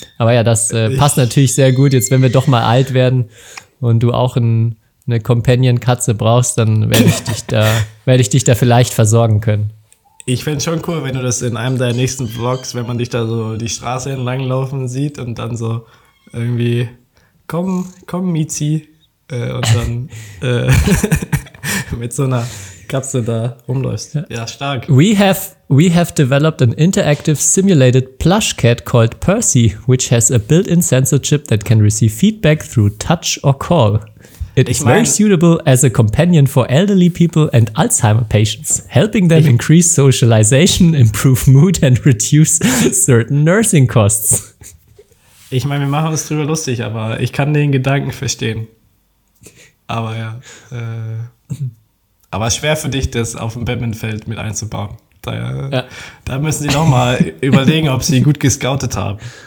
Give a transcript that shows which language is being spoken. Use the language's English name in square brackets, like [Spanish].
[German] Aber ja, das passt natürlich sehr gut. Jetzt, wenn wir doch mal alt werden und du auch eine Companion-Katze brauchst, dann werde ich dich da vielleicht versorgen können. Ich fände es schon cool, wenn du das in einem deiner nächsten Vlogs, wenn man dich da so die Straße entlang laufen sieht und dann so irgendwie komm Mizi und dann mit so einer Katze da rumläufst. Ja, stark. [English] We have developed an interactive simulated plush cat called Percy, which has a built-in sensor chip that can receive feedback through touch or call. It is very suitable as a companion for elderly people and Alzheimer patients, helping them increase socialization, improve mood and reduce certain nursing costs. [German] Ich meine, wir machen uns drüber lustig, aber ich kann den Gedanken verstehen. Aber ja. Aber schwer für dich, das auf dem Badmintonfeld mit einzubauen. Da müssen sie nochmal überlegen, ob sie gut gescoutet haben.